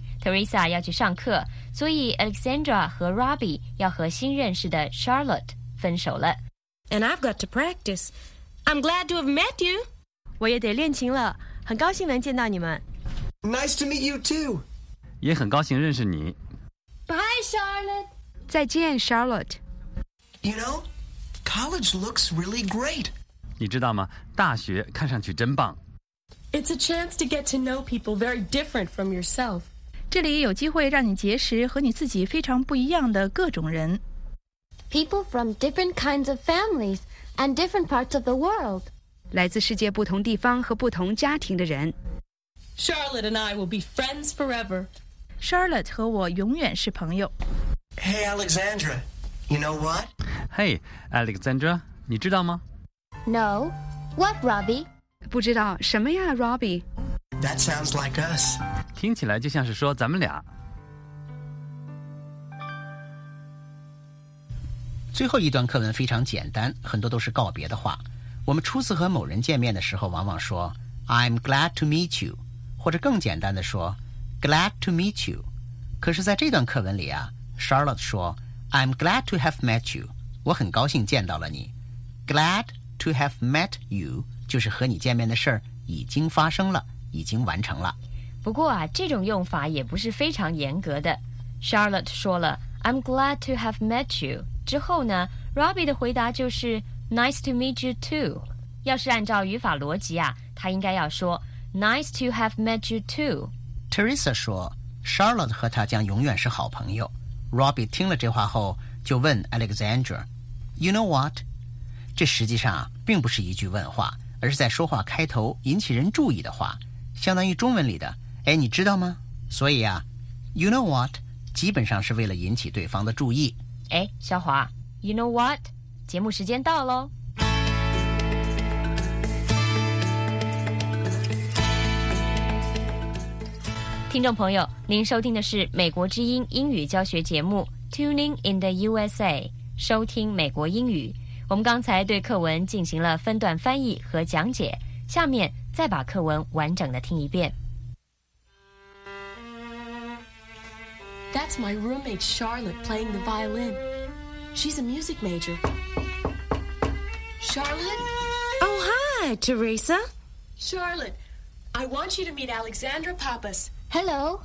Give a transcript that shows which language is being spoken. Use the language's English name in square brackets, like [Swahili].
[Chinese] Teresa 要去上课，所以 Alexandra 和 Robbie 要和新认识的 Charlotte 分手了。 [English] And I've got to practice. I'm glad to have met you. [Chinese] 我也得练琴了，很高兴能见到你们。 [English] Nice to meet you too. [Chinese] 也很高兴认识你。 [English] Bye, Charlotte. [Chinese] 再见 ，Charlotte. [English] You know. College looks really great. [Chinese] 你知道吗？大学看上去真棒。 [English] It's a chance to get to know people very different from yourself. [Chinese] 这里有机会让你结识和你自己非常不一样的各种人。 [English] People from different kinds of families and different parts of the world. [Chinese] 来自世界不同地方和不同家庭的人。 [English] Charlotte and I will be friends forever. [Chinese] Charlotte 和我永远是朋友。 [English] Hey, Alexandra. You know what? [Chinese] Hey, Alexandra, 你知道吗 [English] ？No, what, Robbie? [Chinese] 不知道什么呀 ，Robbie? [English] That sounds like us. [Chinese] 听起来就像是说咱们俩。最后一段课文非常简单，很多都是告别的话。我们初次和某人见面的时候，往往说 [English] "I'm glad to meet you"， [Chinese] 或者更简单的说 [English] "glad to meet you"。 [Chinese] 可是，在这段课文里啊 ，Charlotte 说。 [English] I'm glad to have met you. [Chinese] 我很高兴见到了你。 [English] Glad to have met you [Chinese] 就是和你见面的事儿已经发生了，已经完成了。不过啊，这种用法也不是非常严格的。 Charlotte 说了 [English] I'm glad to have met you [Chinese] 之后呢 ，Robbie 的回答就是 [English] Nice to meet you too. [Chinese] 要是按照语法逻辑啊，他应该要说 [English] Nice to have met you too. [Chinese] Teresa 说 ，Charlotte 和他将永远是好朋友。 Robbie 听了这话后就问 Alexandra [English] You know what? [Chinese] 这实际上、啊、并不是一句问话而是在说话开头引起人注意的话相当于中文里的哎，你知道吗所以啊 [English] You know what? [Chinese] 基本上是为了引起对方的注意哎，小华 [English] You know what? [Chinese] 节目时间到咯听众朋友，您收听的是美国之音英语教学节目 Tuning in the USA， 收听美国英语。我们刚才对课文进行了分段翻译和讲解，下面再把课文完整的听一遍。 [English] That's my roommate Charlotte playing the violin. She's a music major. Charlotte? Oh, hi, Teresa. Charlotte, I want you to meet Alexandra Pappas. Hello.